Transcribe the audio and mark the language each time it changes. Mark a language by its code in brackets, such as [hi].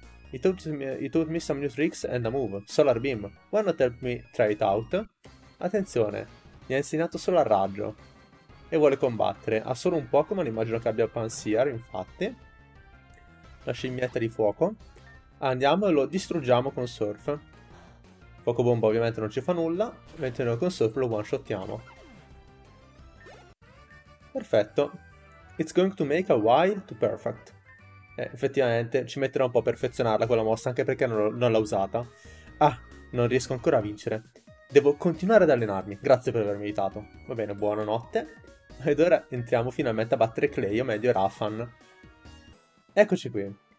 [en] You told me some new tricks and a move. Solar Beam. Why not help me try it out? [it] Attenzione, mi ha insegnato solo al raggio. E vuole combattere. Ha solo un Pokémon, immagino che abbia Pansear, infatti. La scimmietta di fuoco. Andiamo e lo distruggiamo con Surf. Fuoco bomba ovviamente non ci fa nulla, mentre noi con Surf lo one-shottiamo. Perfetto. [en] It's going to make a while to perfect. [it] Effettivamente ci metterò un po' a perfezionarla quella mossa, anche perché non l'ho usata. Ah, non riesco ancora a vincere. Devo continuare ad allenarmi. Grazie per avermi aiutato. Va bene, buonanotte. Ed ora entriamo finalmente a battere Clay, o meglio Rafan. Eccoci qui.